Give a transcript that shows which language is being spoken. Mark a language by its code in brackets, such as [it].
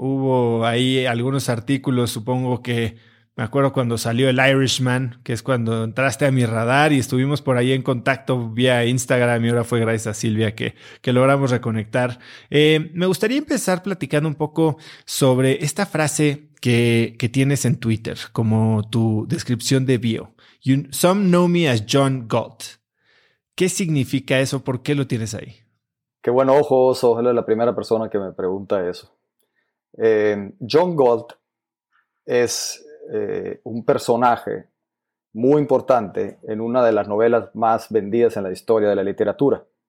[es] Hubo ahí algunos artículos, supongo que me acuerdo cuando salió el Irishman, que es cuando entraste a mi radar y estuvimos por ahí en contacto vía Instagram, y ahora fue gracias a Silvia que logramos reconectar. Me gustaría empezar platicando un poco sobre esta frase que tienes en Twitter como tu descripción de bio. [en] Some know me as John Galt. [es] ¿Qué significa eso? ¿Por qué lo tienes ahí? Qué buen ojo, Oso. Es la primera persona que me pregunta eso. John Galt es un personaje muy importante en una de las novelas más vendidas en la historia de la literatura.